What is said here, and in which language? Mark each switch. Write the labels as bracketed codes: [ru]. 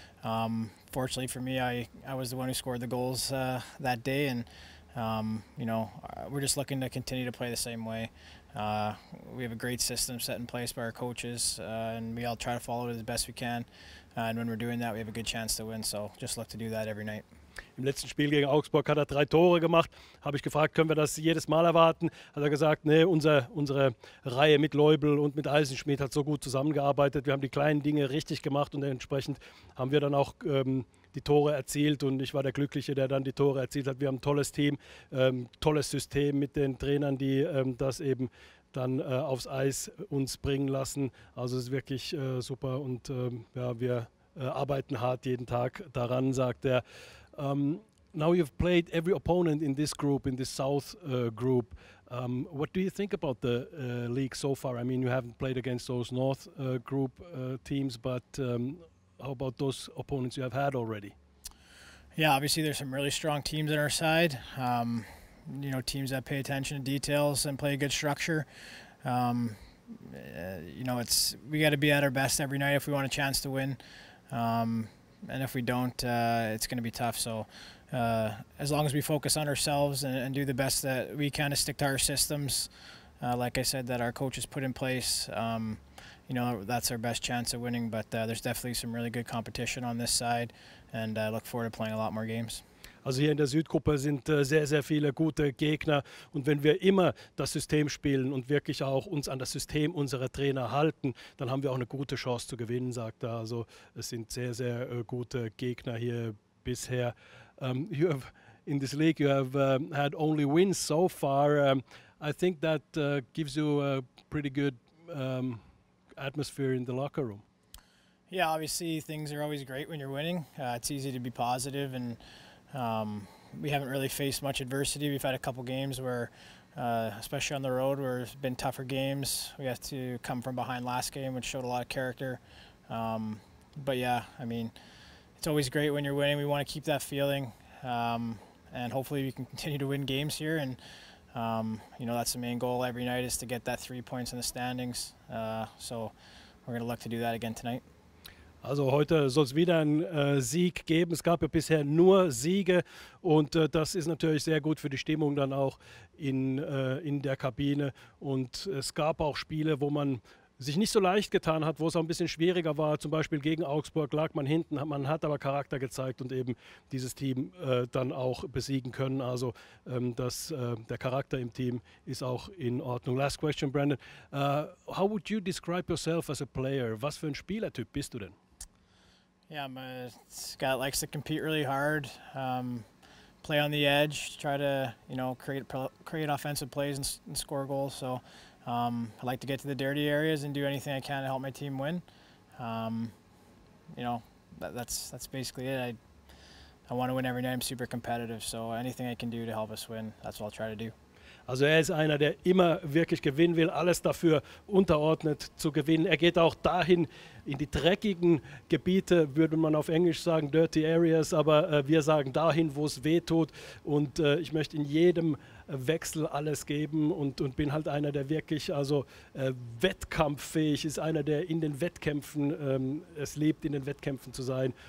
[en] Fortunately for me, I was the one who scored the goals that day, and you know, we're just looking to continue to play the same way. We have a great system set in place by our coaches, and we all try to follow it as best we can. And when we're doing that, we have a good chance to win. So just look to do that every night. [de] Im letzten Spiel gegen Augsburg hat er 3 Tore gemacht. Habe ich gefragt, können wir das jedes Mal erwarten? Hat er gesagt, nee, unsere Reihe mit Leubel und mit Eisenschmidt hat so gut zusammengearbeitet. Wir haben die kleinen Dinge richtig gemacht und entsprechend haben wir dann auch die Tore erzielt. Und ich war der Glückliche, der dann die Tore erzielt hat. Wir haben ein tolles Team, tolles System mit den Trainern, die das eben dann aufs Eis uns bringen lassen. Also es ist wirklich super und ja, wir arbeiten hart jeden Tag daran, sagt er. [en] Now you've played every opponent in this group, in this South group. What do you think about the league so far? I mean, you haven't played against those North group teams, but how about those opponents you have had already? Yeah, obviously there's some really strong teams on our side. You know, teams that pay attention to details and play a good structure. You know, it's we got to be at our best every night if we want a chance to win. And if we don't, it's going to be tough. So as long as we focus on ourselves and do the best that we can to stick to our systems, like I said, that our coaches put in place, you know, that's our best chance of winning. But there's definitely some really good competition on this side, and I look forward to playing a lot more games. [de] Also hier in der Südgruppe sind sehr, sehr viele gute Gegner. Und wenn wir immer das System spielen und wirklich auch uns an das System unserer Trainer halten, dann haben wir auch eine gute Chance zu gewinnen, sagt er. Also es sind sehr, sehr gute Gegner hier bisher. [en] You have, in this league, you have had only wins so far. I think that gives you a pretty good atmosphere in the locker room. Yeah, obviously things are always great when you're winning. It's easy to be positive and we haven't really faced much adversity. We've had a couple games where, especially on the road, where it's been tougher games. We have to come from behind last game, which showed a lot of character. But yeah, I mean, it's always great when you're winning. We want to keep that feeling. And hopefully we can continue to win games here. And, you know, that's the main goal every night is to get that 3 points in the standings. So we're going to look to do that again tonight. [de] Also heute soll es wieder einen Sieg geben. Es gab ja bisher nur Siege und das ist natürlich sehr gut für die Stimmung dann auch in der Kabine. Und es gab auch Spiele, wo man sich nicht so leicht getan hat, wo es auch ein bisschen schwieriger war. Zum Beispiel gegen Augsburg lag man hinten, man hat aber Charakter gezeigt und eben dieses Team dann auch besiegen können. Also der Charakter im Team ist auch in Ordnung. [en] Last question, Brandon. How would you describe yourself as a player? [de] Was für ein Spielertyp bist du denn? [en] Yeah, I'm a guy that likes to compete really hard, play on the edge, try to, you know, create offensive plays and score goals. So I like to get to the dirty areas and do anything I can to help my team win. You know, that's basically it. I I want to win every night. I'm super competitive, so anything I can do to help us win, that's what I'll try to do. [de] Also er ist einer, der immer wirklich gewinnen will, alles dafür unterordnet zu gewinnen. Er geht auch dahin, in die dreckigen Gebiete, würde man auf Englisch sagen, dirty areas, aber wir sagen dahin, wo es weh tut. Und ich möchte in jedem Wechsel alles geben und bin halt einer, der wirklich also wettkampffähig ist, einer, der in den Wettkämpfen es liebt, in den Wettkämpfen zu sein.